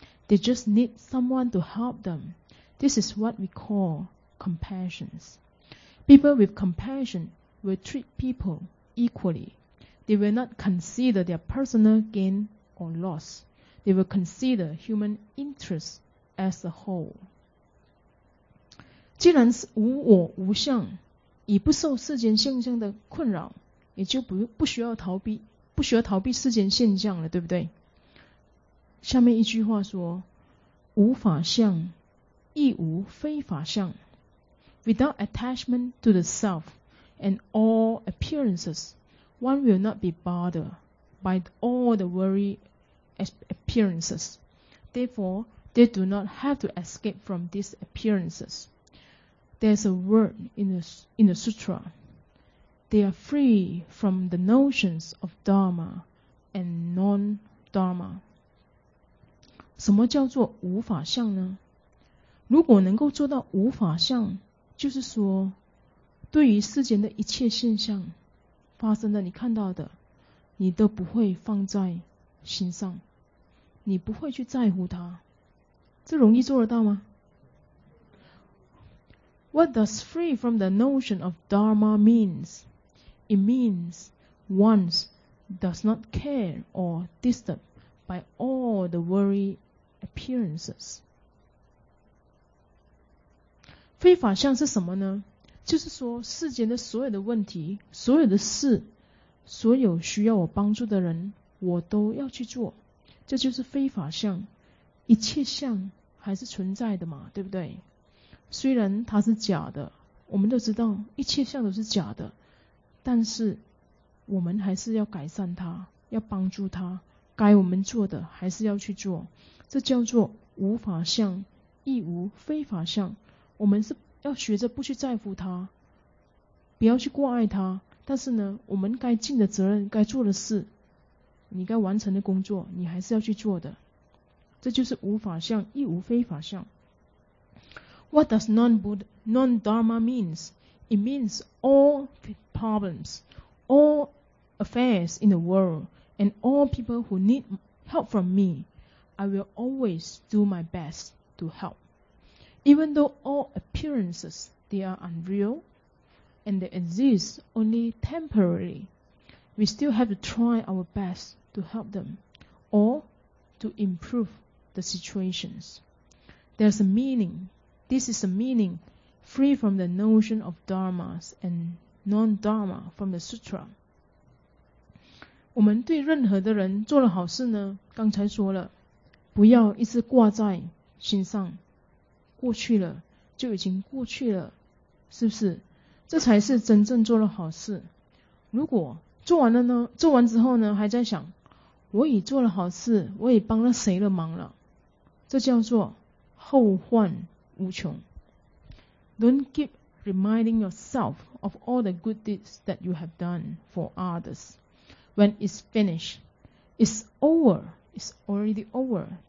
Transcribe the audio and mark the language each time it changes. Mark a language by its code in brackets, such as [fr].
[en] They just need someone to help them. This is what we call compassion. People with compassion will treat people equally. They will not consider their personal gain or loss. They will consider human interests as a whole. [zh] 既然是无我无相，以不受世间现象的困扰，也就 不需要逃避世间现象了，对不对？下面一句话说，无法相亦无非法相。 [en] Without attachment to the self and all appearances, one will not be bothered by all the worry appearances. Therefore, they do not have to escape from these appearances. There's a word in the sutra. They are free from the notions of Dharma and non-Dharma. [zh] 什么叫做无法相呢？如果能够做到无法相，就是说对于世间的一切现象发生的，你看到的，你都不会放在心上，你不会去在乎它。这容易做得到吗？ [en] What does free from the notion of Dharma means? It means one does not care or disturb by all the worry appearances. [zh] 非法相是什么呢？就是说世间的所有的问题，所有的事，所有需要我帮助的人，我都要去做，这就是非法相。一切相还是存在的嘛，对不对？虽然它是假的，我们都知道一切相都是假的，但是我们还是要改善它，要帮助它，该我们做的还是要去做，这叫做无法相，亦无非法相。我们是要学着不去在乎它，不要去过爱它，但是呢，我们该尽的责任，该做的事，你该完成的工作，你还是要去做的。这就是无法相，亦无非法相。 [en] What does non-Dharma means? It means all problems, all affairs in the world, and all people who need help from me. I will always do my best to help. Even though all appearances, they are unreal, and they exist only temporarily, we still have to try our best to help them, or to improve the situations. There's a meaning. This is a meaning free from the notion of dharmas and non-dharma from the sutra. [zh] 我们对任何的人做了好事呢，刚才说了，不要一直挂在心上，过去了就已经过去了，是不是？这才是真正做了好事。如果做完了呢，做完之后呢，还在想，我已做了好事，我已帮了谁的忙了，这叫做后患无穷。 [en] Don't keep reminding yourself of all the good deeds that you have done for others. When it's finished, it's over, it's already over.